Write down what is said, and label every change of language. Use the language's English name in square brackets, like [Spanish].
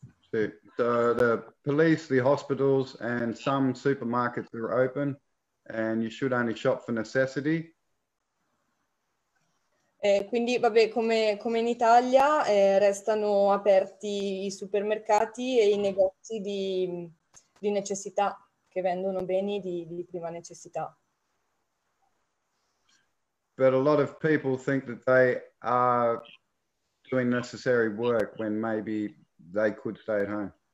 [English] So the police, the hospitals, and some supermarkets are open, and you should only shop for necessity. [Italian] Quindi, vabbè, come in Italia, restano aperti i supermercati e i negozi di necessità, che vendono beni di prima necessità. [English] But a lot of people think that they are doing necessary work when maybe they could stay at home.